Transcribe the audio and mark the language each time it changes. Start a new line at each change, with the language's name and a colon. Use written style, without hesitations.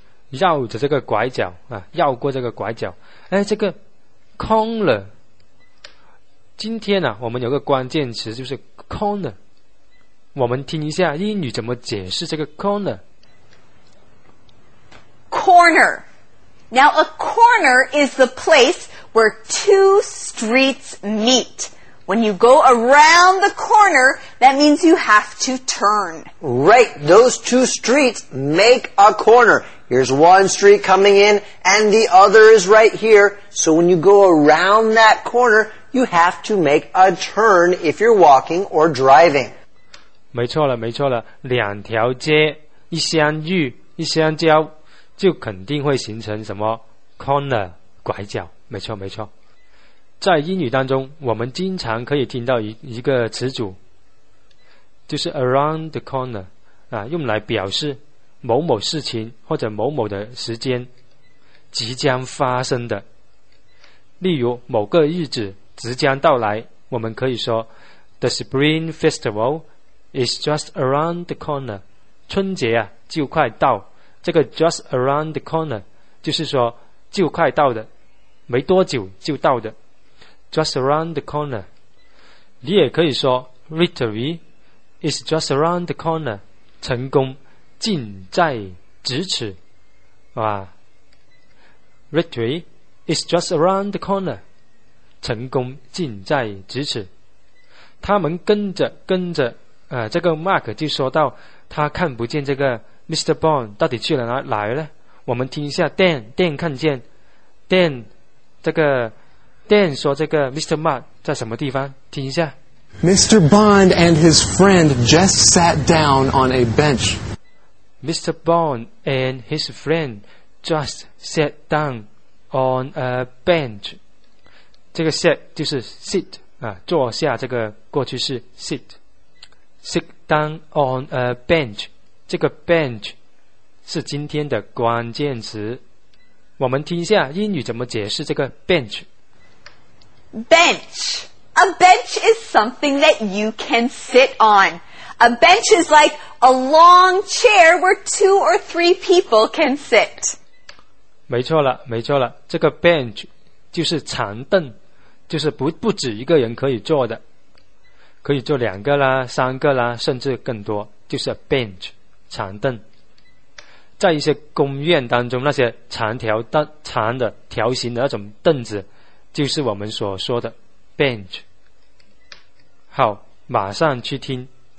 Chinese: 绕着这个拐角啊，绕过这个拐角。哎，这个 corner， 今天啊，我们有个关键词就是 corner。我们听一下英语怎么解释这个 corner。
English: Corner. Now a corner is the place where two streets meet. When you go around the corner, that means you have to turn. Right, those two streets make a corner. Here's one street coming in, and the other is right here. So when you go around that corner, you have to make a turn if you're walking or driving.
Chinese: 没错了，没错了，两条街，一相遇，一相交，就肯定会形成什么 corner, 拐角。没错没错，在英语当中我们经常可以听到一个词组，就是
English: around the corner
Chinese: 啊，用来表示某某事情或者某某的时间即将发生的。例如某个日子即将到来，我们可以说
English: The spring festival is just around the corner，
Chinese: 春节啊就快到。这个
English: just around the corner
Chinese: 就是说就快到的，没多久就到的 ，just around the corner。你也可以说 ，
English: victory is just around the corner，
Chinese: 成功近在咫尺，哇 ，victory is just around the corner， 成功近在咫尺。他们跟着，这个 Mark 就说到，他看不见这个 Mr. Bond 到底去了哪儿呢？我们听一下 Dan 看见 Dan。这个 Dan 说这个 Mr. Bond 在什么地方，听一下。
English: Mr. Bond and his friend just sat down on a bench. Mr. Bond and his friend just sat down on a bench.
Chinese: 这个 sat 就是 sit 啊，坐下这个过去式 sit.
English: Sit down on a bench.
Chinese: 这个 bench 是今天的关键词。我们听一下英语怎么解释这个 bench。
English: Bench. A bench is something that you can sit on. A bench is like a long chair where two or three people can sit.
Chinese: 没错了，没错了，这个 bench 就是长凳，就是 不止一个人可以坐的，可以坐两个啦，三个啦，甚至更多，就是 bench 长凳。在一些公园当中，那些长的条形的那种凳子，就是我们所说的 bench。好，马上去听 D